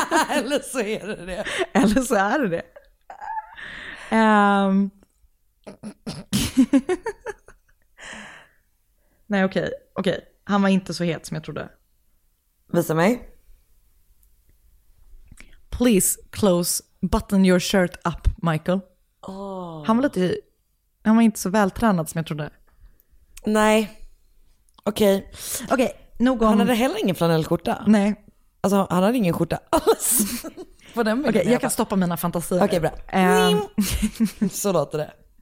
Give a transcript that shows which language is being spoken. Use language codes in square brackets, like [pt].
[sv] Eller så är det det. Eller så är det det. Nej, okej. Okej. Han var inte så het som jag trodde. Visa mig. [en] Please close, button your shirt up, Michael. Oh. [sv] Han var inte så vältränad som jag trodde. Nej. Okej. [en] Okay. Okay, [sv] han hade heller ingen flanellskjorta. Nej. Alltså, han hade ingen skjorta alls. På den [en] okay, [sv] jag kan stoppa mina fantasier. Okej, [en] okay, [sv] bra. Så låter det.